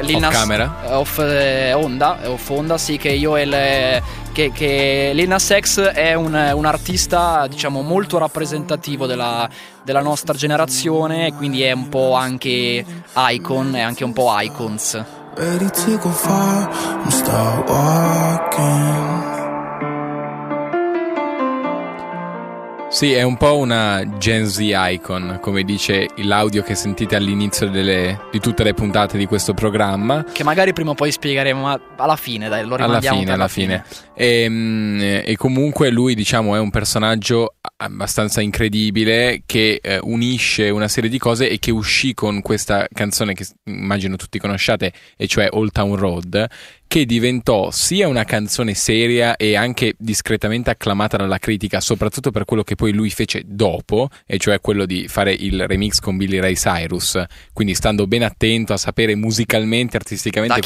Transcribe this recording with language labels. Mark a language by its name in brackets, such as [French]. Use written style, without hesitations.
[English] Lil Nas, off camera [Italian] off onda sì, che io e il che Lil Nas X è un artista diciamo molto rappresentativo della nostra generazione, quindi è un po' anche icon, è anche un po' icons. [English] Ready to go far, start walking. [Italian] Sì, è un po' una Gen Z icon, come dice l'audio che sentite all'inizio di tutte le puntate di questo programma. Che magari prima o poi spiegheremo, ma alla fine, dai, lo rimandiamo. Alla fine. E comunque lui, diciamo, è un personaggio abbastanza incredibile che unisce una serie di cose e che uscì con questa canzone che immagino tutti conosciate, e cioè Old Town Road, che diventò sia una canzone seria e anche discretamente acclamata dalla critica, soprattutto per quello che poi lui fece dopo, e cioè quello di fare il remix con Billy Ray Cyrus, quindi stando ben attento a sapere musicalmente, artisticamente